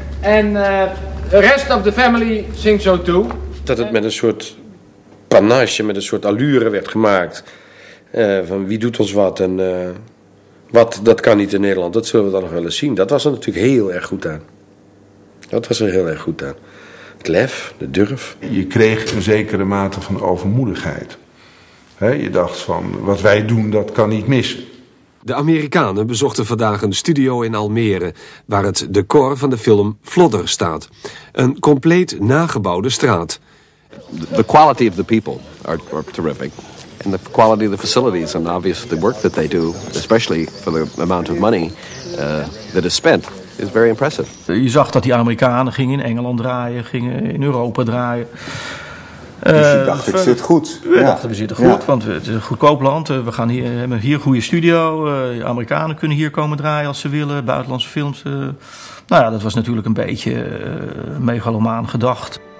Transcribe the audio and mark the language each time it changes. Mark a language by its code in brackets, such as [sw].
[en] And the rest of the family sings so too. [nl] Dat het met een soort panache, met een soort allure werd gemaakt. Van wie doet ons wat en... Wat, dat kan niet in Nederland, dat zullen we dan nog wel eens zien. Dat was er natuurlijk heel erg goed aan. Dat was er heel erg goed aan. Het lef, de durf. Je kreeg een zekere mate van overmoedigheid. Je dacht van, wat wij doen, dat kan niet missen. De Amerikanen bezochten vandaag een studio in Almere, waar het decor van de film Flodder staat. Een compleet nagebouwde straat. [en] The quality of the people are terrific. And the quality of the facilities and obviously the work that they do, especially for the amount of money that is spent, is very impressive. [nl] Je zag dat die Amerikanen gingen in Engeland draaien, gingen in Europa draaien. Dus we dachten, we zitten goed. Want het is een goedkoop land. We gaan hier, hebben hier een goede studio. Amerikanen kunnen hier komen draaien als ze willen. Buitenlandse films. Dat was natuurlijk een beetje megalomaan gedacht.